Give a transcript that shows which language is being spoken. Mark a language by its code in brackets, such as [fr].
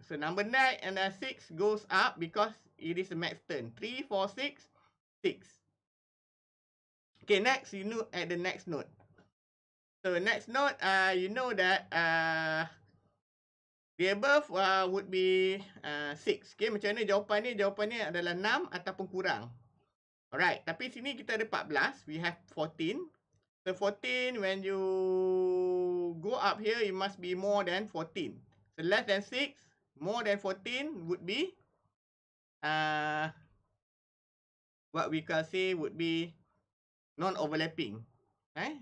[en] So, number 9 and 6 goes up because it is a max turn. 3, 4, 6, 6. Okay, next, you look at the next node. So, next node, you know that the above would be 6. [ms] Okay, macam mana jawapan ni? Jawapan ni adalah 6 ataupun kurang. Alright, tapi sini kita ada 14. [en] We have 14. So, 14, when you go up here, it must be more than 14. So, less than 6, more than 14 would be what we can say would be non-overlapping. Eh?